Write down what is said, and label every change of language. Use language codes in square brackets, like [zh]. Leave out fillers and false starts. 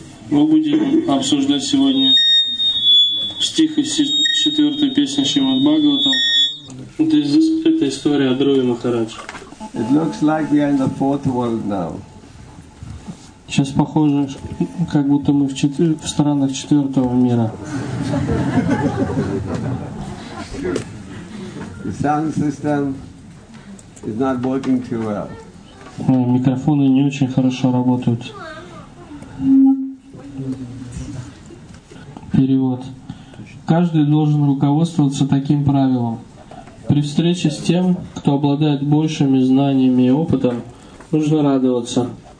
[ru] Мы будем обсуждать сегодня стих из четвертой песни Шримад Бхагаватам. Это история о Дхруве Махарадже. [en] It looks like we are in the fourth world now. [ru] Сейчас похоже, как будто мы в странах четвертого мира. [en] The sound system is not working too well. [ru] Микрофоны не очень хорошо работают. Перевод. Каждый должен руководствоваться таким правилом. При встрече с тем, кто обладает большими знаниями и опытом, нужно радоваться.